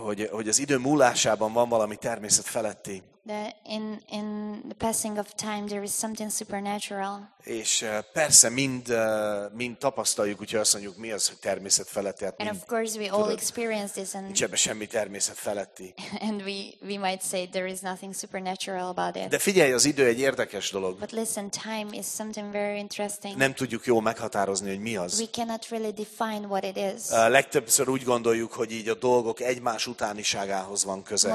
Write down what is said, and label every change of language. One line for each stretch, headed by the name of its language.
Hungarian: Hogy az idő múlásában van valami természet feletti.
English: That in the passing of time there is something supernatural.
Hungarian: És persze mind tapasztaljuk, úgyhogy azt mondjuk, mi az, hogy természet feletti. Hát
English: and of course we all experience this. And
Hungarian: nincs ebben semmi természet feletti.
English: And we might say there is nothing supernatural about it.
Hungarian: De figyelj, az idő egy érdekes dolog.
English: But listen, time is something very interesting.
Hungarian: Nem tudjuk jól meghatározni, hogy mi az.
English: We cannot really define what it is.
Hungarian: Legtöbbször úgy gondoljuk, hogy így a dolgok egymás utániságához van köze.